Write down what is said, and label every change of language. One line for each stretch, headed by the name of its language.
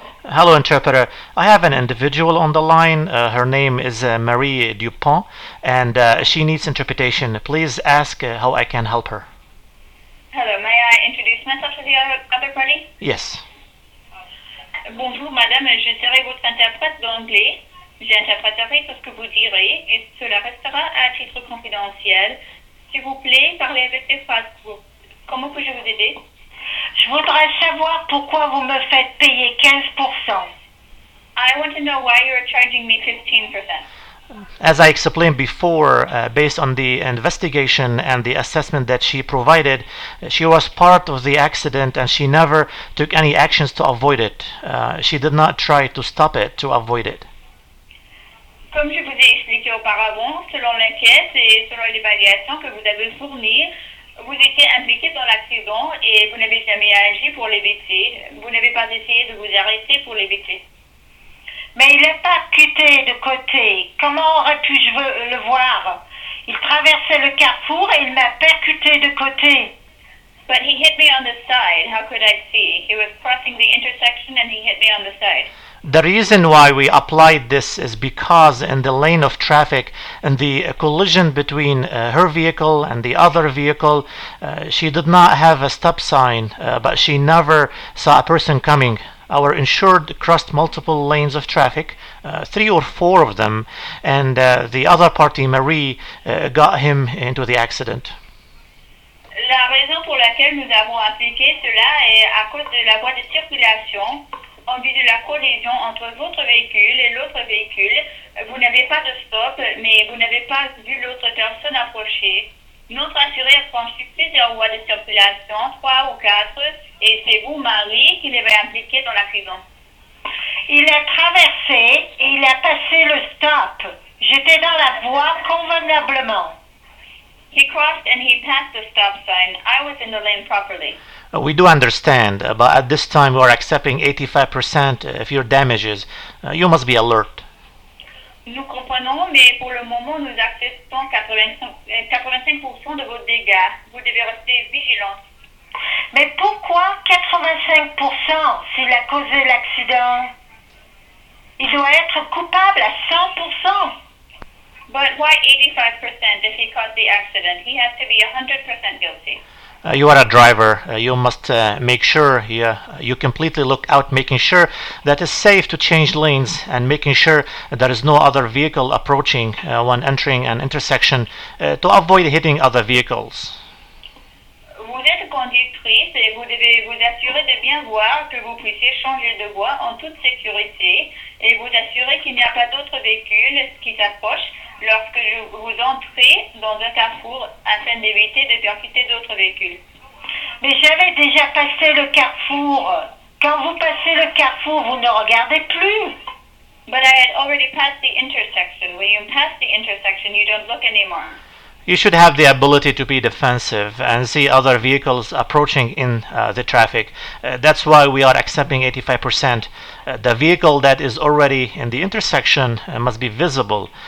English: Hello, interpreter. I have an individual on the line. Her name is Marie Dupont, and she needs interpretation. Please ask how I can help her. Hello, may I introduce myself to the other party? Yes.
French: Bonjour, madame. Je serai votre interprète d'anglais. J'interpréterai ce que vous direz et cela restera à titre confidentiel. S'il vous plaît, parlez avec des phrases. Comment puis-je vous aider? Je voudrais savoir pourquoi vous me faites payer 15%.
English: I want to know why you're charging me 15%. As I explained before, based on the investigation and the assessment that she provided, she was part of the accident and she never took any actions to avoid it. She did not try to stop it, to avoid it.
French: Comme je vous ai expliqué auparavant, selon l'enquête et selon l'évaluation que vous avez fournie, vous étiez impliqué dans l'accident et vous n'avez jamais agi pour l'éviter. Vous n'avez pas essayé de vous arrêter pour l'éviter. Mais il est percuté de côté. Comment aurais-je pu le voir? Il traversait le carrefour et il m'a percuté de côté.
English: But he hit me on the side. How could I see? He was crossing the intersection and he hit me on the side. The reason why we applied this is because in the lane of traffic, in the collision between her vehicle and the other vehicle, she did not have a stop sign, but she never saw a person coming. Our insured crossed multiple lanes of traffic, three or four of them, and the other party, Marie, got him into the accident.
French: La raison pour laquelle nous avons appliqué cela est à cause de la voie de circulation. En vue de la collision entre votre véhicule et l'autre véhicule, vous n'avez pas de stop, mais vous n'avez pas vu l'autre personne approcher. Notre assuré a franchi plusieurs voies de circulation, trois ou quatre, et c'est vous, Marie, qui l'avez impliqué dans l'accident. Il a traversé et il a passé le stop. J'étais dans la voie convenablement.
English: He crossed and he passed the stop sign. I was in the lane properly. We do understand, but at this time we are accepting 85% of your damages. You must be alert.
French: Nous comprenons, mais pour le moment nous acceptons 85% de vos dégâts. Vous devez rester vigilant. Mais pourquoi 85% s'il a causé l'accident? Il doit être coupable à 100%.
English: But why 85% if he caused the accident? He has to be 100% guilty. You are a driver. You must make sure you completely look out, making sure that it's safe to change lanes and making sure there is no other vehicle approaching when entering an intersection to avoid hitting other vehicles.
French: Vous êtes conductrice et vous devez vous assurer de bien voir que vous puissiez changer de voie en toute sécurité et vous assurer qu'il n'y a pas d'autres véhicules qui s'approchent lorsque vous entrez dans un carrefour afin d'éviter de percuter d'autres véhicules. Mais j'avais déjà passé le carrefour. Quand vous passez le carrefour, vous ne regardez plus.
English: But I had already passed the intersection. When you pass the intersection, you don't look anymore. You should have the ability to be defensive and see other vehicles approaching in the traffic. That's why we are accepting 85%. The vehicle that is already in the intersection must be visible.